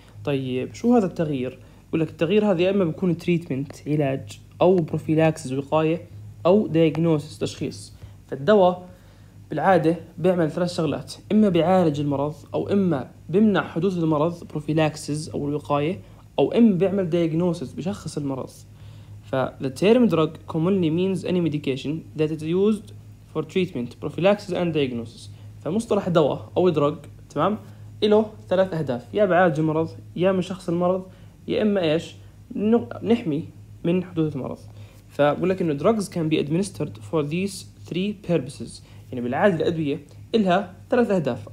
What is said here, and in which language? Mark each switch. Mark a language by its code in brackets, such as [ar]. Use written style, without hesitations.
[ar] طيب شو هذا التغيير؟ يقول لك التغيير هذا يا إما بيكون تريتمنت علاج، أو بروفيلاكسز وقاية، أو دايجنوسيس تشخيص. فالدواء بالعادة بيعمل ثلاث شغلات، إما بيعالج المرض، أو إما بيمنع حدوث المرض بروفيلاكسز أو الوقاية، أو إما بيعمل دايجنوسيس بشخص المرض. [en] فthe term drug commonly means any medication that is used for treatment, prophylaxis and diagnosis. [ar] فمصطلح دواء أو درج تمام إله ثلاث أهداف، يا بعالج المرض، يا من شخص المرض، يا إما إيش نحمي من حدوث المرض. فبقول لك إنه [en] drugs can be administered for these three purposes، [ar] يعني بالعادة الأدوية إلها ثلاث أهداف.